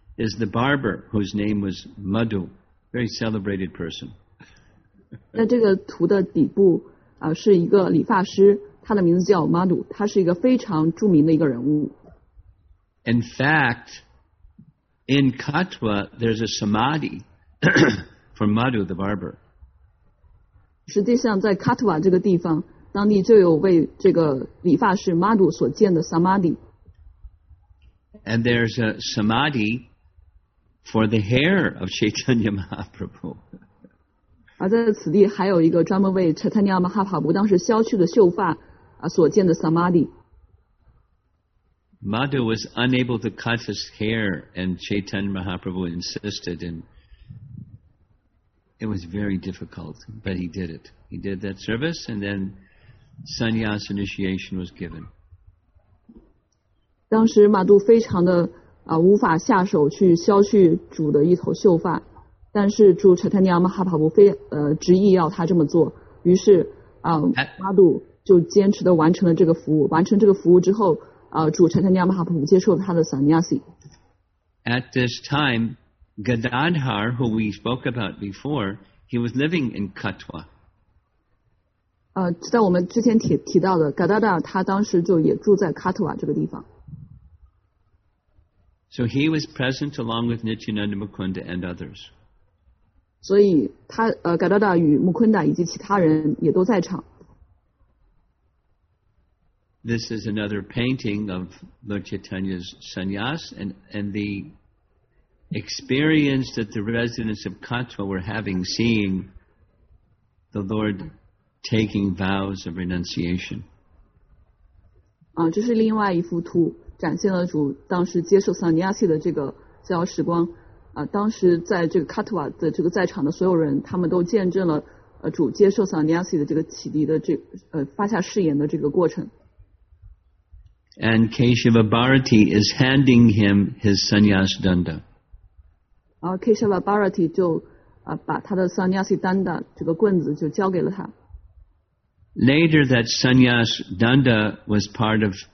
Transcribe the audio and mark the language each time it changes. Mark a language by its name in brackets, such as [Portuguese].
[English] Is the barber whose name was Madhu, very celebrated person. [Chinese] 那这个图的底部啊，是一个理发师，他的名字叫 Madhu， 他是一个非常著名的一个人物。 [English] In fact, in Katwa, there's a samadhi for Madhu the barber. [Chinese] 实际上，在 Katwa 这个地方，当地就有为这个理发师 Madhu 所建的 samadhi. [English] And there's a samadhi. For the hair of Chaitanya Mahaprabhu. [Chinese] 而在此地还有一个专门为 Chaitanya Mahaprabhu 当时削去的秀发所建的 Samadhi. [English] Madhu was unable to cut his hair and Chaitanya Mahaprabhu insisted and it was very difficult, but he did it. He did that service and then sannyas initiation was given. [Chinese] 当时马杜非常的无法下手去削去主的一头秀发，但是主柴特尼亚马哈帕布非执意要他这么做，于是马杜就坚持的完成了这个服务。完成这个服务之后，主柴特尼亚马哈帕布接受了他的萨尼亚西。 [English] At this time, Gadadhar, who we spoke about before, he was living in Katwa. [Chinese] 在我们之前提到的 Gadadhar， 他当时就也住在卡图瓦这个地方。 [English] So he was present along with Nityananda Mukunda and others. [Chinese] 所以他Gadadhar 与 Mukunda 以及其他人也都在场。 [English] This is another painting of Lord Chaitanya's sannyas and the experience that the residents of Katwa were having seeing the Lord taking vows of renunciation. [Chinese] 这是另外一幅图。展现了主当时接受桑尼亚西的这个逍遥时光，当时在这个卡特瓦的这个在场的所有人，他们都见证了主接受桑尼亚西的这个启迪的这发下誓言的这个过程。 [English] And Keshava Bharati is handing him his sannyas danda. [Chinese] Keshava Bharati 就把他的桑尼亚西danda这个棍子就交给了他。 [English] Later, that sannyas danda was part of.